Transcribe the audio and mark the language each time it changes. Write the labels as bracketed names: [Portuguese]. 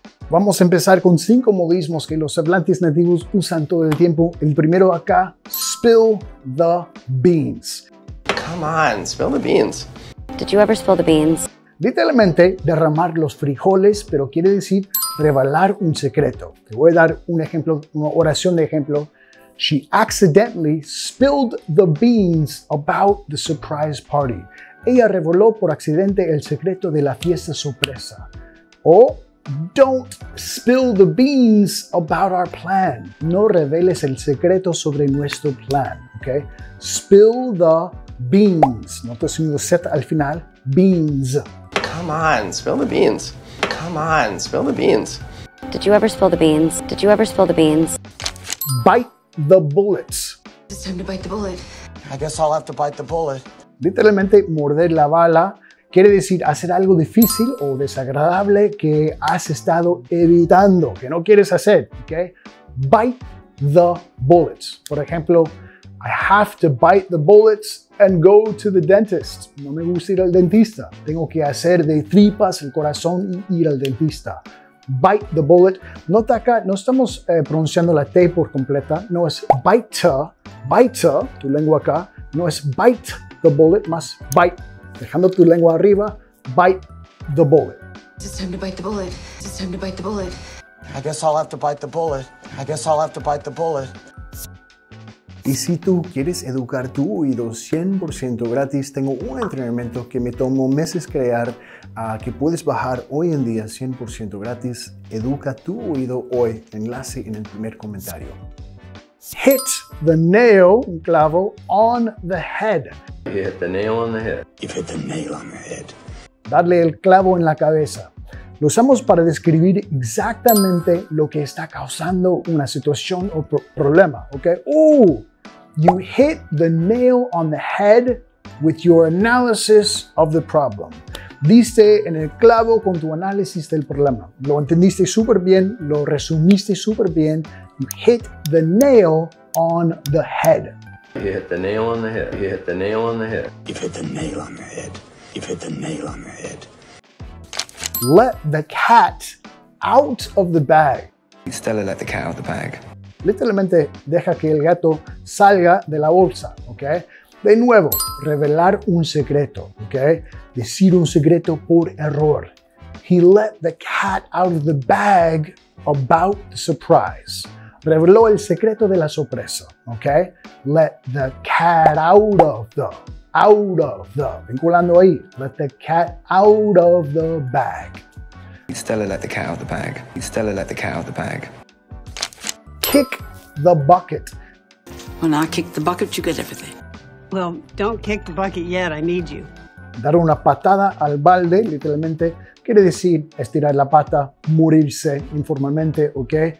[Spanish] Vamos a empezar con 5 modismos que los hablantes nativos usan todo el tiempo. El primero acá, [English] spill the beans. Come on, spill the beans. Did you ever spill the beans? [Spanish] Literalmente, derramar los frijoles, pero quiere decir revelar un secreto. Te voy a dar un ejemplo, una oración de ejemplo. [English] She accidentally spilled the beans about the surprise party. [Spanish] Ella reveló por accidente el secreto de la fiesta sorpresa. [English] O, don't spill the beans about our plan. [Spanish] No reveles el secreto sobre nuestro plan, ¿ok? [English] Spill the beans. [Spanish] Nota el sonido Z al final. [English] Beans. Come on, spill the beans. Come on, spill the beans. Did you ever spill the beans? Did you ever spill the beans? Bite the bullets. It's time to bite the bullet. I guess I'll have to bite the bullet. [Spanish] Literalmente, morder la bala. Quiere decir hacer algo difícil o desagradable que has estado evitando, que no quieres hacer, ¿ok? [English] Bite the bullets. [Spanish] Por ejemplo, [English] I have to bite the bullets and go to the dentist. [Spanish] No me gusta ir al dentista. Tengo que hacer de tripas el corazón y ir al dentista. [English] Bite the bullet. [Spanish] Nota acá, no estamos pronunciando la T por completa. No es [English] bite, bite, [Spanish] tu lengua acá. No es [English] bite the bullet, [Spanish] más bite. Dejando tu lengua arriba, bite the bullet. [English] It's time to bite the bullet. It's time to bite the bullet. I guess I'll have to bite the bullet. I guess I'll have to bite the bullet. [Spanish] Y si tú quieres educar tu oído 100% gratis, tengo un entrenamiento que me tomó meses crear que puedes bajar hoy en día 100% gratis. Educa tu oído hoy. Enlace en el primer comentario. [English] Hit the nail, [Spanish] un clavo, [English] on the head. You hit the nail on the head. You hit the nail on the head. [Spanish] Darle el clavo en la cabeza. Lo usamos para describir exactamente lo que está causando una situación o problema, ¿ok? ¡Oh! [English] You hit the nail on the head with your analysis of the problem. [Spanish] Diste en el clavo con tu análisis del problema. Lo entendiste súper bien, lo resumiste súper bien. [English] You hit the nail on the head. You hit the nail on the head. You hit the nail on the head. You hit the nail on the head. You hit the nail on the head. Let the cat out of the bag. Stella let the cat out of the bag. [Spanish] Literalmente, deja que el gato salga de la bolsa, ¿ok? De nuevo, revelar un secreto, ¿ok? Decir un secreto por error. [English] He let the cat out of the bag about the surprise. [Spanish] Reveló el secreto de la sorpresa, ¿ok? [English] Let the cat out of the... Out of the, [Spanish] vinculando ahí, [English] let the cat out of the bag. Stella let the cat out of the bag. Stella let the cat out of the bag. Kick the bucket. When I kick the bucket, you get everything. Well, don't kick the bucket yet, I need you. [Spanish] Dar una patada al balde, literalmente, quiere decir estirar la pata, morirse informalmente, ¿ok?